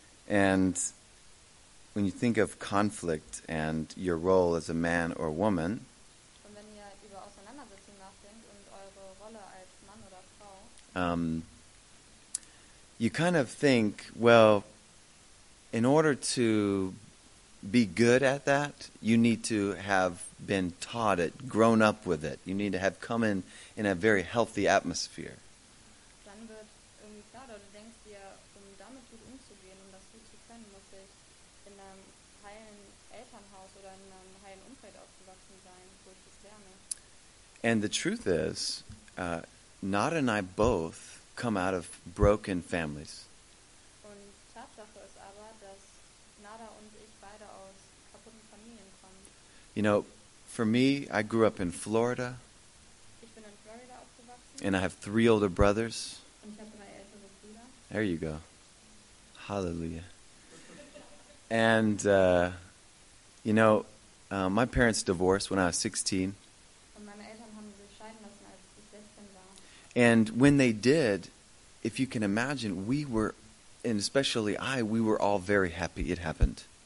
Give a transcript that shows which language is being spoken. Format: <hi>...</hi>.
<en>And when you think of conflict and your role as a man or woman,</en> <de>und wenn ihr über Auseinandersetzung nachdenkt und eure Rolle als Mann oder Frau,</de> <en>you kind of think, well, in order to be good at that, you need to have been taught it, grown up with it. You need to have come in a very healthy atmosphere.</en> <de>Dann wird irgendwie klar, oder du denkst dir, damit gut umzugehen, das gut zu können, muss ich in einem heilen Elternhaus oder in einem heilen Umfeld aufgewachsen sein, wo ich das lerne.</de> <en>And the truth is, Nada and I both come out of broken families.</en> <de>Und Tatsache ist aber, dass Nada und ich beide aus kaputten Familien kommen.</de> <en>You know, for me, I grew up in Florida.</en> <de>Ich bin in Florida aufgewachsen.</de> <en>And I have three older brothers.</en> <de>Und ich habe drei ältere Brüder.</de> <en>There you go. Hallelujah. And, you know, my parents divorced when I was 16.</en> <de>Und meine Eltern haben sich scheiden lassen, als ich 16 war.</de> <en>And when they did, if you can imagine, we were, and especially I, we were all very happy it happened.</en>